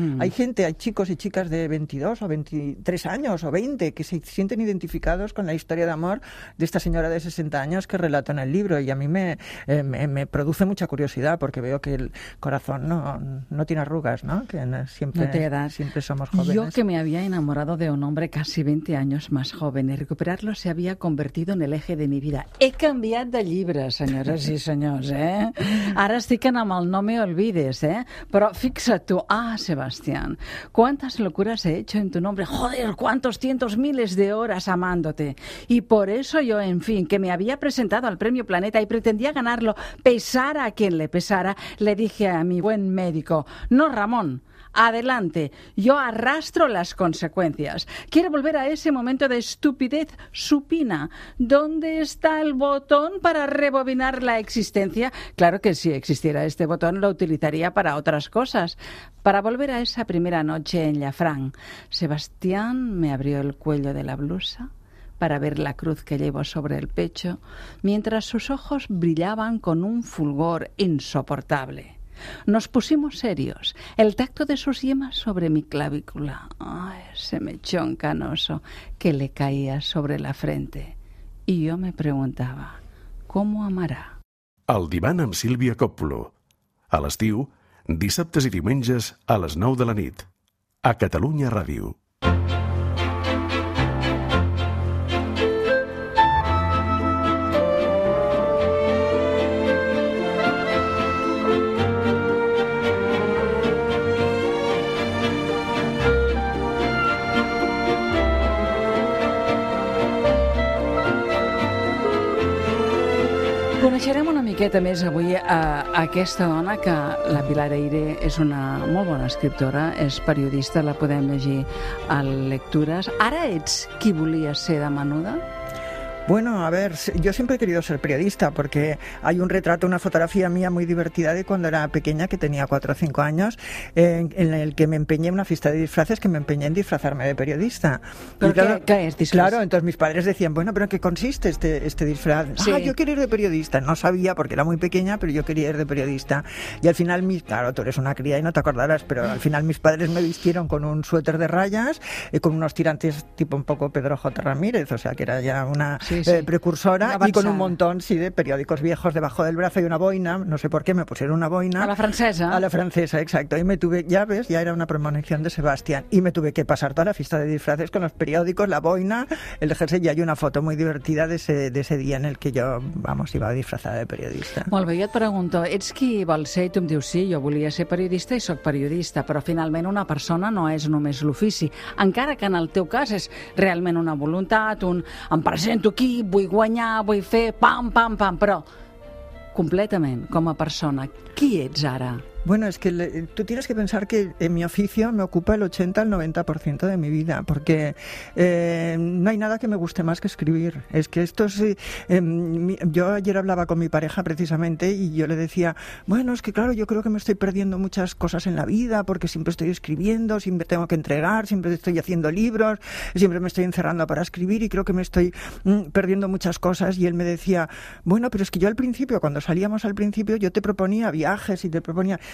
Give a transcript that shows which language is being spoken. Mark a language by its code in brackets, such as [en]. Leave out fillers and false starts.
[es] Hay chicos y chicas de 22 o 23 años o 20 que se sienten identificados con la historia de amor de esta señora de 60 años que relato en el libro y a mí me produce mucha curiosidad porque veo que el corazón no tiene arrugas, ¿no? Siempre somos jóvenes. Yo que me había enamorado de un hombre casi 20 años más joven y recuperarlo se había convertido en el eje de mi vida. [ca] He canviat de llibre, senyores i senyors, eh? Ara estic en amb el No me olvides, eh? Però fixa't tu, [es] ah, Sebastián, ¿cuántas locuras he hecho en tu nombre? Joder, ¿cuántos tientos? tantos miles de horas amándote. Y por eso yo, en fin, que me había presentado al Premio Planeta y pretendía ganarlo, pesara a quien le pesara, le dije a mi buen médico: no, Ramón, adelante, yo arrastro las consecuencias. Quiero volver a ese momento de estupidez supina. ¿Dónde está el botón para rebobinar la existencia? Claro que si existiera este botón lo utilizaría para otras cosas. Para volver a esa primera noche en Llafranc, Sebastián me abrió el cuello de la blusa para ver la cruz que llevo sobre el pecho, mientras sus ojos brillaban con un fulgor insoportable. Nos pusimos serios. El tacto de sus yemas sobre mi clavícula. Ay, ese mechón canoso que le caía sobre la frente. Y yo me preguntaba, ¿cómo amará? [ca] El divan amb Sílvia Coppolo. A l'estiu, dissabtes i diumenges a les 9 de la nit. A Catalunya Ràdio. Coneixerem una miqueta més avui a aquesta dona, que la Pilar Eire és una molt bona escriptora, és periodista, la podem llegir a Lectures. Ara ets qui volia ser de menuda? [es] Bueno, a ver, yo siempre he querido ser periodista porque hay un retrato, una fotografía mía muy divertida de cuando era pequeña, que tenía 4 o 5 años, en el que me empeñé en una fiesta de disfraces, que me empeñé en disfrazarme de periodista. ¿Pero qué es disfraz? Claro, entonces mis padres decían, bueno, ¿pero en qué consiste este disfraz? Sí. Ah, yo quiero ir de periodista. No sabía porque era muy pequeña, pero yo quería ir de periodista. Y al final, claro, tú eres una cría y no te acordarás, pero al final mis padres me vistieron con un suéter de rayas, con unos tirantes tipo un poco Pedro J. Ramírez, o sea que era ya una... Sí. Sí, sí. Precursora, y con un montón, sí, de periódicos viejos debajo del brazo y una boina, no sé por qué me pusieron una boina. A la francesa. A la francesa, exacto. Y me tuve, ya ves, ya era una premonición de Sebastián, y me tuve que pasar toda la fiesta de disfraces con los periódicos, la boina, el jersey, y hay una foto muy divertida de ese día en el que yo, vamos, iba disfrazada de periodista. [ca] Molt bé, jo et pregunto, ets qui vol ser? I tu em dius, sí, jo volia ser periodista i soc periodista, però finalment una persona no és només l'ofici, encara que en el teu cas és realment una voluntat, un em presento aquí, vull guanyar, vull fer, pam, pam, pam, però completament, com a persona, qui ets ara? [es] Bueno, es que tú tienes que pensar que en mi oficio me ocupa el 80 al 90% de mi vida, porque no hay nada que me guste más que escribir. Es que esto es... yo ayer hablaba con mi pareja precisamente y yo le decía, bueno, es que claro, yo creo que me estoy perdiendo muchas cosas en la vida porque siempre estoy escribiendo, siempre tengo que entregar, siempre estoy haciendo libros, siempre me estoy encerrando para escribir y creo que me estoy perdiendo muchas cosas. Y él me decía, bueno, pero es que yo al principio, cuando salíamos al principio, yo te proponía viajes y te proponía...